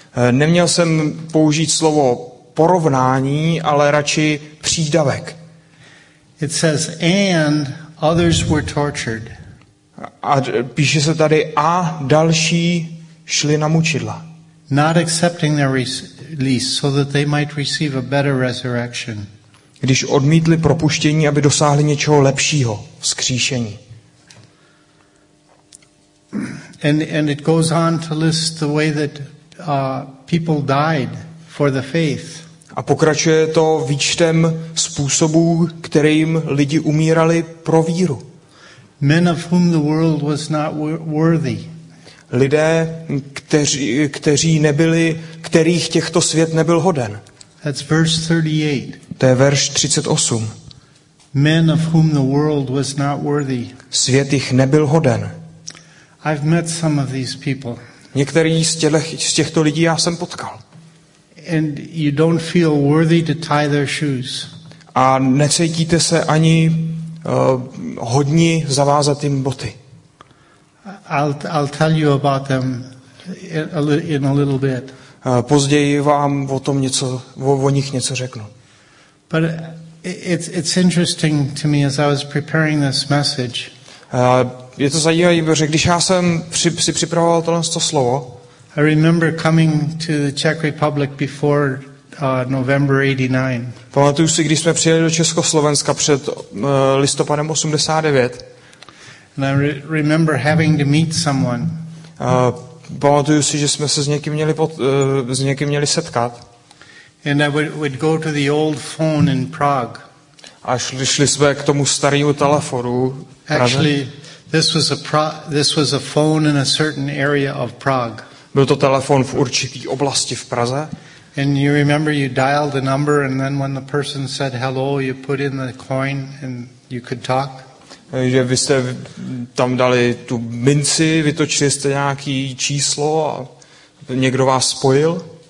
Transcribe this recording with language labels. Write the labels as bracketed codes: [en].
[cs] Neměl jsem použít slovo porovnání, ale radši přídavek. [en] It says and others were tortured. [cs] A píše se tady a další šli na mučidla. [en] Not accepting their release so that they might receive a better resurrection. [cs] Když odmítli propuštění, aby dosáhli něčeho lepšího, vzkříšení. [en] And it goes on to list the way that people died for the faith. [cs] A pokračuje to výčtem způsobů, kterým lidi umírali pro víru. [en] Men of whom the world was not worthy. [cs] Lidé, kteří nebyli, kterých těchto svět nebyl hoden. [en] That's verse 38. [cs] To je verš 38. [en] Men of whom the world was not worthy. [cs] Svět jich nebyl hoden. [en] I've met some of these people. [cs] Některý z těchto lidí já jsem potkal. [en] And you don't feel worthy to tie their shoes. [cs] A necítíte se ani hodni zavázat jim boty. [en] I'll tell you about them in a little bit. [cs] Později vám o tom něco o nich něco řeknu. [en] But it's interesting to me as I was preparing this message. [cs] Je to zajímavé, protože když já jsem si připravoval tohle slovo. [en] I remember coming to the Czech Republic before November 89. [cs] Pamatuju si, když jsme přijeli do Československa před listopadem 89. [en] And I remember having to meet someone. [cs] Pamatuju si, že jsme se s někým měli setkat. [en] And I would go to the old phone in Prague. [cs] A šli jsme k tomu starému telefonu. [en] Actually, this was a phone in a certain area of Prague. [cs] Byl to telefon v určité oblasti v Praze. [en] And you remember you dialed the number and then when the person said hello, you put in the coin and you could talk. [cs] Že vy jste tam dali tu minci, vytočili jste nějaký číslo a někdo vás spojil.